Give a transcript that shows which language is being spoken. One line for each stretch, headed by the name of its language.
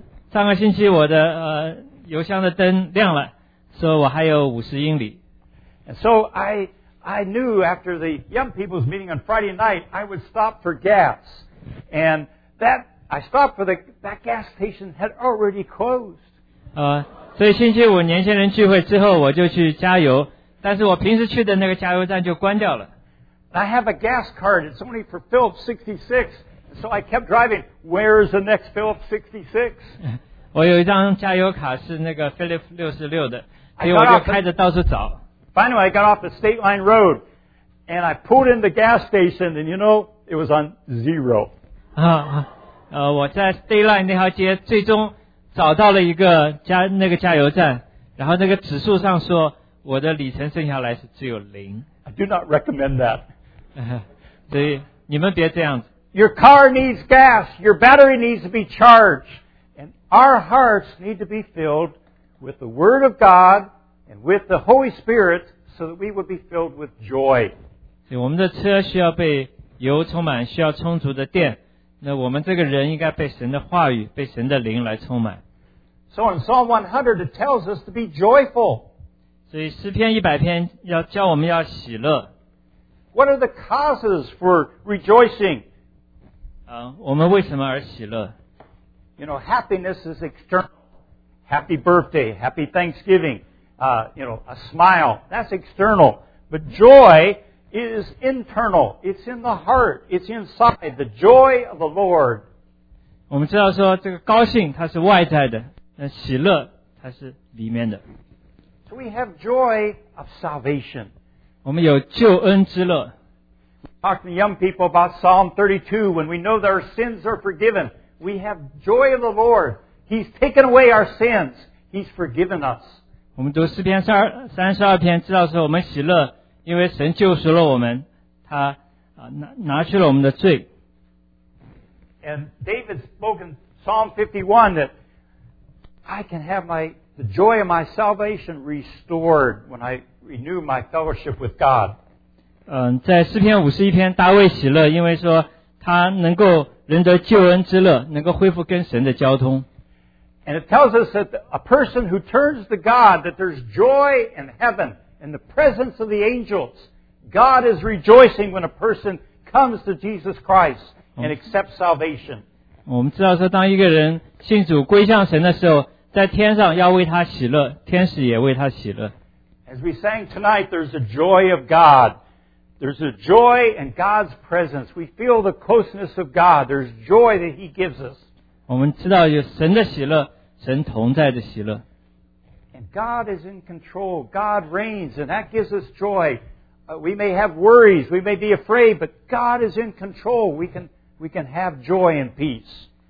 Chinese: 上个星期我的油箱的灯亮了，说我还有50英里。
English: And so I knew after the young people's meeting on Friday night, I would stop for gas, and I stopped for that gas station had already closed.
Chinese: 所以星期五年轻人聚会之后我就去加油，但是我平时去的那个加油站就关掉了。
English: I have a gas card, it's only for Phillips 66, so I kept driving, where is the next Phillips 66?
Chinese: 我有一张加油卡是那个 Phillips 66的，所以我就开着到处找。
English: Finally, I got off the state line road, and I pulled in the gas station, and you know, it was on zero.
Chinese: 我在 State Line 那条街最终找到了一个加油站，然后那个指数上说我的里程剩下来是只有零。
English: I do not recommend that.
Chinese: 所以你们别这样子。
English: Your car needs gas. Your battery needs to be charged. And our hearts need to be filled with the Word of God and with the Holy Spirit so that we would be filled with joy.
Chinese: 所以我们的车需要被油充满，需要充足的电。那我们这个人应该被神的话语，被神的灵来充满。
English: So in Psalm 100, it tells us to be joyful.
Chinese: 所以诗篇100篇要教我们要喜乐。
English: What are the causes for rejoicing?
Chinese: 我们为什么而喜乐？
English: You know, happiness is external. Happy birthday, happy Thanksgiving, you know, a smile, that's external. But joy... is internal. It's in the heart. It's inside. The joy of the Lord.
Chinese: 我们知道说这个高兴它是外在的，那喜乐它是里面的。
English: So we have joy of salvation.
Chinese: 我们有救恩之乐。
English: Talking to young people about Psalm 32, when we know that our sins are forgiven, we have joy of the Lord. He's taken away our sins. He's forgiven us.
Chinese: 我们读诗篇32篇，知道说我们喜乐。因为神救赎了我们，他拿去了我们的罪。
English: And David spoke in Psalm 51 that I can have the joy of my salvation restored when I renew my fellowship with God.
Chinese: 在诗篇51篇，大卫喜乐，因为说他能够仍得救恩之乐，能够恢复跟神的交通。
English: And it tells us that a person who turns to God, that there's joy in heaven. In the presence of the angels, God is rejoicing when a person comes to Jesus Christ and accepts salvation.
Chinese: 我们知道说，当一个人信主归向神的时候，在天上要为他喜乐，天使也为他喜乐。
English: As we sang tonight, there's a joy of God. There's a joy in God's presence. We feel the closeness of God. There's joy that He gives us.
Chinese: 我们知道有神的喜乐，神同在的喜乐。
English: God is in control. God reigns, and that gives us joy. We may have worries, we may be afraid, but God is in control. We can have joy and peace.